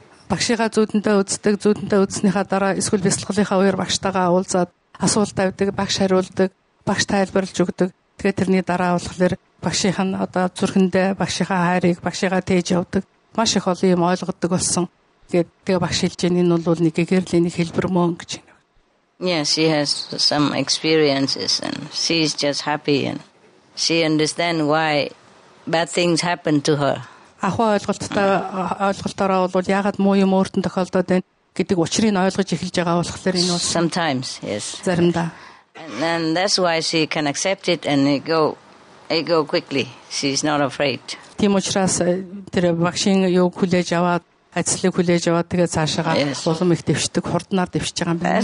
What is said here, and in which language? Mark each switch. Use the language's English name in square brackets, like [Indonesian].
[Mongolian] Багшигаа зүүдэндээ үздэг, зүүдэндээ үздснийхаа дараа эсвэл бясалгалынхаа үеэр багштайгаа уулзаад асуулт тавьдаг, багш хариулдаг. Багш тайлбарлаж өгдөг. Тэгээд тэрний дараа болохоор багшийнх нь одоо зүрхэндээ багшийнхаа хайрыг багшигаа тээж явдаг. Маш их олон юм ойлгодог болсон. Тэгээд багш хэлж байгаа нь энэ бол нэг гэрлийн хэлбэр мөн гэж байна. [English] Yes, she has some experiences and she is just happy and she understands why bad things happen to her. [Mongolian] Ахуй ойлголтоороо бол ягаад муу юм өөртөө тохиолдоод байна гэдэг учрыг ойлгож эхэлж байгаа болохоор энэ бол [English] sometimes yes. [Mongolian] Заримдаа. [English] And that's why she can accept it and it go quickly. She's not afraid. [Mongolian] Тимочрас тэр багшийн юуг хүлээж аваад, ажлыг хүлээж аваад тэгээ цаашаа улам их дэвшдэг, хурднаар дэвшиж байгаа юм байна.